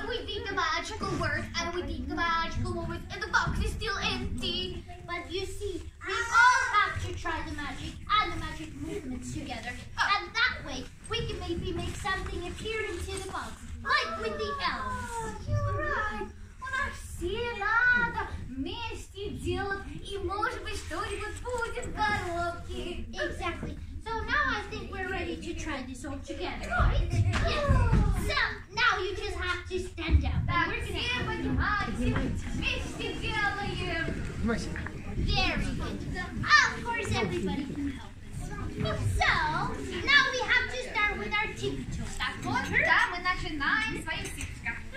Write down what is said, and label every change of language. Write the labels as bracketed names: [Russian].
[English] We did the magical work, and we did the magical moment, and the box is still empty. But you see, we all have to try the magic and the magic movements together. And that way, we can maybe make something appear into the box. Like with the elves. You're right. [Russian] У нас все надо вместе делать, и может быть что-нибудь будет в коробке. [English] Exactly. So now I think we're ready to try this all together. Right? Yes. So now you just have to stand up. [Russian] Так, все понимаете, вместе делаем. [English] Very good. Of course everybody can help. So, now we have to start with our tippy toes. [Russian] Так, вот, да, мы начинаем свои типтика.